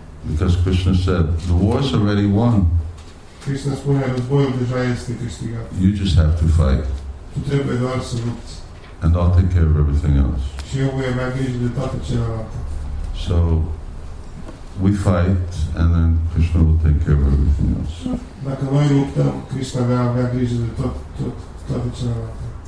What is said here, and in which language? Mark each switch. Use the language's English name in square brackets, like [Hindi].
[English] Because Krishna said, the war's already won. [Romanian] Krishna spune, războiul deja este câștigat. [English] You just have to fight. [Romanian] Tu trebuie doar să lupți. [English] And I'll take care of everything else. [Romanian] Și eu voi avea grijă de toate celelalte. [English] So, we fight, and then Krishna will take care of everything else. [Romanian] Dacă noi luptăm, Krishna va avea grijă de toate celelalte.